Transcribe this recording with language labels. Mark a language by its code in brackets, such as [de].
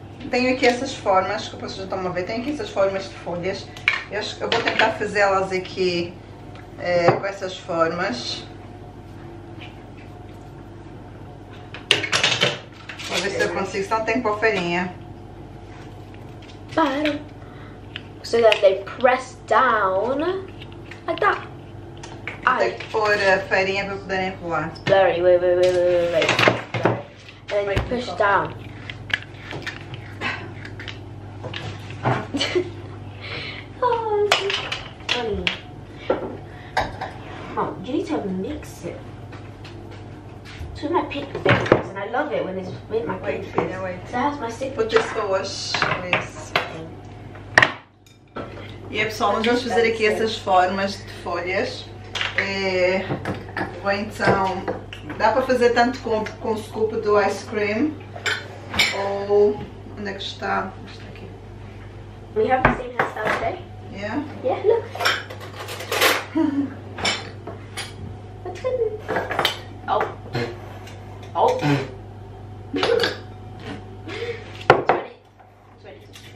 [pt] Tenho aqui essas formas, que vocês já estão a ver, tenho aqui essas formas de folhas. Eu vou tentar fazê-las aqui com essas formas. Vou ver se eu consigo, senão tem que pôr farinha. [en] Bottom. So that they press down like that. [pt] Vou ter que pôr a farinha para poderem pular. [en] It's blurry, wait. And then you push down. Oh, funny. Mom, you need to mix it. It's with my pink fingers, and I love it when it's with my pink fingers. Wait. So that's my stick. Put this for wash, please. Okay. [pt] Yeah, pessoal, nós vamos fazer aqui essas formas de folhas. Ou então, dá para fazer tanto com o scoop do ice cream. Ou onde é que está? [en] We have the same hairstyle today. Yeah? Yeah, look. What's good? Oh. Oh. It's ready.